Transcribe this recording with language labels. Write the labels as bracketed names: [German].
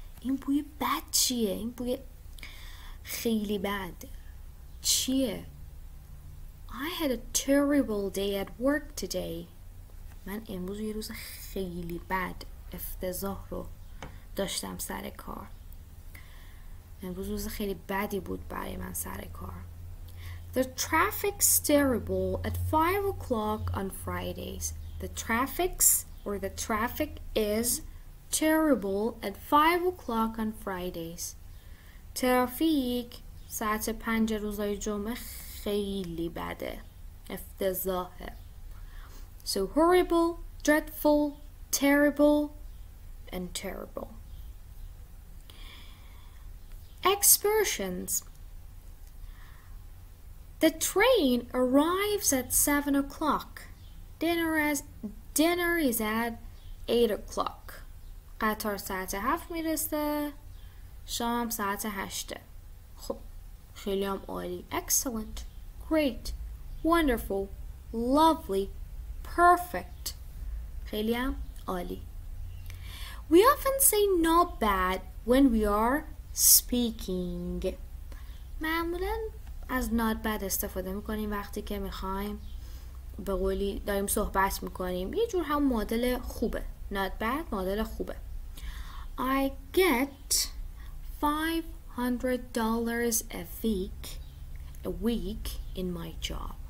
[Persian] این بوی بد چیه؟ این بوی خیلی بد چیه؟ [English] I had a terrible day at work today. [Persian] من امروز یه روز خیلی بد افتضاح رو داشتم سر کار. امروز روز خیلی بدی بود برای من سر کار. [English] The traffic's terrible at 5 o'clock on Fridays. The traffic's or the traffic is terrible at 5 o'clock on Fridays. [Persian] ترافیک ساعت 5 روزهای جمعه خیلی بده. افتضاحه. [English] So horrible, dreadful, terrible, and terrible. Expressions. The train arrives at 7 o'clock. Dinner is at 8 o'clock. [Persian] قطار ساعت 7 میرسه. شام ساعت 8. خب خیلی هم عالی. [English] Excellent. Great. Wonderful. Lovely. Perfect. [Persian] خیلی هم عالی. [English] We often say not bad when we are speaking. [Persian] معمولا از not bad استفاده میکنیم وقتی که میخوایم به قولی داریم صحبت میکنیم. یه جور هم مدل خوبه. [English] Not bad [Persian] مدل خوبه. [English] I get $500 a week in my job.